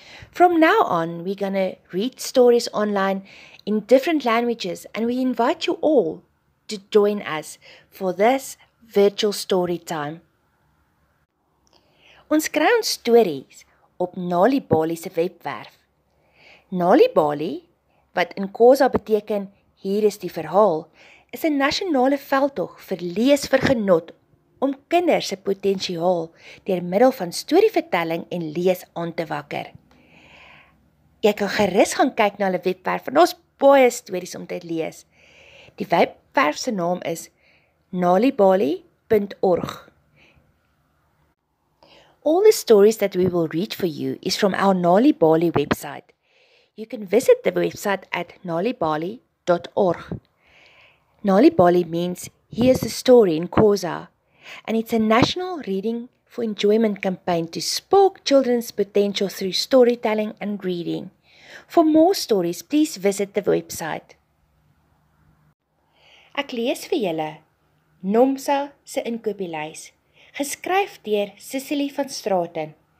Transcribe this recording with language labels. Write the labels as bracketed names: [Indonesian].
[English] From now on, we're going to read stories online in different languages, and we invite you all to join us for this virtual story time. [Afrikaans] Ons kry ons stories op Nali Bali se webwerf. Nali Bali, wat in Xhosa beteken, hier is die verhaal, is 'n nasionale veldtog vir lees vir genot om kinders se potensiaal deur middel van storievertelling en lees aan te wakker. Jy kan gerus gaan kyk na hulle webwerf, want ons baie stories om te lees. Die webwerf se naam is nalibali.org. [English] All the stories that we will read for you is from our Nali Bali website. You can visit the website at nalibali.org. Nali Bali means here's the story in Xhosa, and it's a national reading for enjoyment campaign to spark children's potential through storytelling and reading. For more stories, please visit the website. [Afrikaans] Ek lees vir julle Nomsa se inkopieslys, geskryf deur Cecily van Straten.